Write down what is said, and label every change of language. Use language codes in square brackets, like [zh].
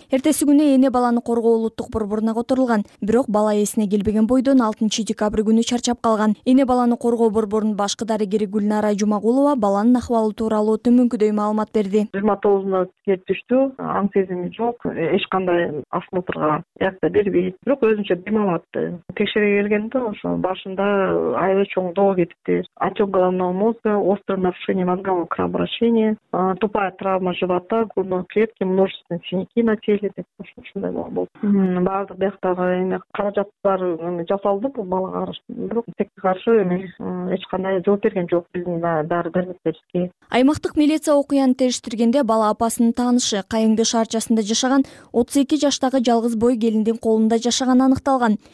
[ky] Эртеси күнү эне баланы коргоо улуттук борборуна которулган, бирок бала эсине келбеген бойдон 6 декабрь күнү чарчап калган. Эне баланы коргоо борборунун башкы дарыгери Гүлнара Жумагулова баланын акыбалы тууралуу төмөнкүдөй маалымат берди. 29-нда кетиштү, аң сезими жок, эч кандай осмотрга аякта бербейт, бирок өзүнчө демалатты. Текшере келгенде ошо башында аябай чоң доо кетипти. [ru] Отек головного мозга, острое нарушение мозгового кровообращения, тупая травма живота, грудной клетки, множественные синяки на теле деп ушундай болду. [ky] Баардык бияктагы эме каражаттар жасалды бул балага карашы. Бирок текке каршы эме эч кандай жооп берген жок биздин дары дармектерге. Аймактык милиция окуяны териштиргенде бала апасынын таанышы Кайыңды шаарчасында жашаган 32 жаштагы жалгыз бой келиндин колунда жашаган анык алган.